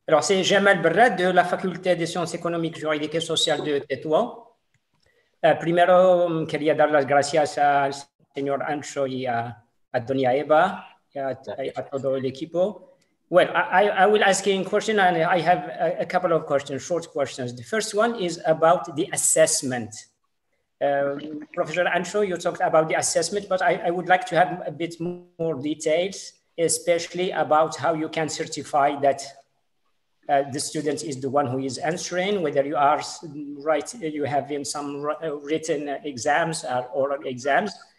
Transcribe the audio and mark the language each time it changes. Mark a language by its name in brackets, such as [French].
[French] Alors, c'est Jamal Barad de la Faculté des sciences économiques, juridiques et sociales de Tétouan. [Spanish] Primero, quería dar las gracias al señor Ancho y a Doña Eva y a todo el equipo. [English] Well, I will ask you a question, and I have a couple of questions, short questions. The first one is about the assessment. Professor Ancho, you talked about the assessment, but I would like to have a bit more details, especially about how you can certify that the student is the one who is answering, whether you are right, you have in some written exams or oral exams.